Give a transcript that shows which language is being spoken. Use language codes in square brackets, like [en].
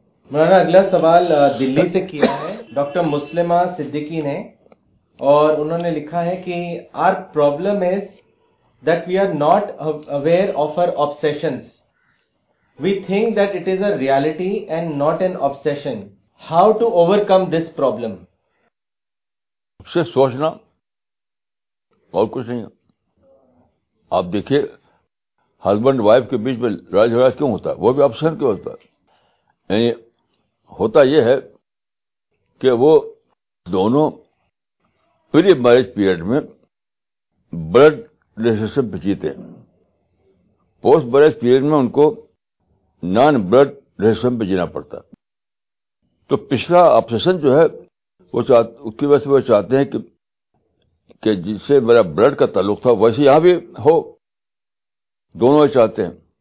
[hi] मौलाना अगला सवाल दिल्ली से किया है डॉक्टर मुस्लिमा सिद्दीकी ने, और उन्होंने लिखा है कि [en] Our problem is that we are not aware of our obsessions, we think that it is a reality and not an obsession. How to overcome this problem? [hi] उससे सोचना और कुछ नहीं है। आप देखिए हस्बैंड वाइफ के बीच में लड़ाई झगड़ा क्यों होता है, वो भी ऑप्शन क्यों होता है? यानी होता यह है कि वो दोनों प्री मैरिज पीरियड में ब्लड रिलेशनशिप पे जीते हैं, पोस्ट मैरिज पीरियड में उनको नॉन ब्लड रिलेशन पे जीना पड़ता, तो पिछला ऑब्सेशन जो है वो उसकी वजह से वो चाहते हैं कि जिससे मेरा ब्लड का ताल्लुक था वैसे यहां भी हो, दोनों ही चाहते हैं।